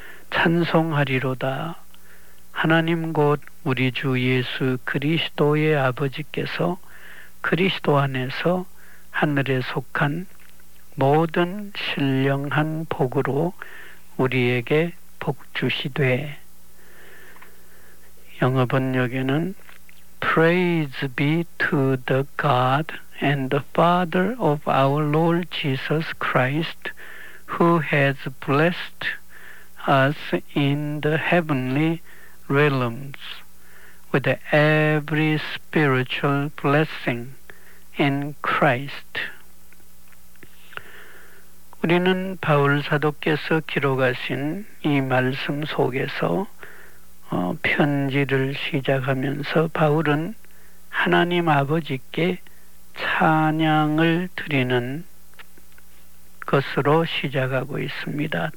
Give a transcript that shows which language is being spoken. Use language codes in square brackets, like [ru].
[ko] 찬송하리로다. 하나님 곧 우리 주 예수 그리스도의 아버지께서 그리스도 안에서 하늘에 속한 모든 신령한 복으로 우리에게 복 주시되. 영어 번역에는 [en] Praise be to the God and the Father of our Lord Jesus Christ, who has blessed us in the heavenly realms with every spiritual blessing in Christ. [ko] 우리는 바울 사도께서 기록하신 이 말씀 속에서 편지를 시작하면서 바울은 하나님 아버지께 찬양을 드리는 것으로 시작하고 있습니다.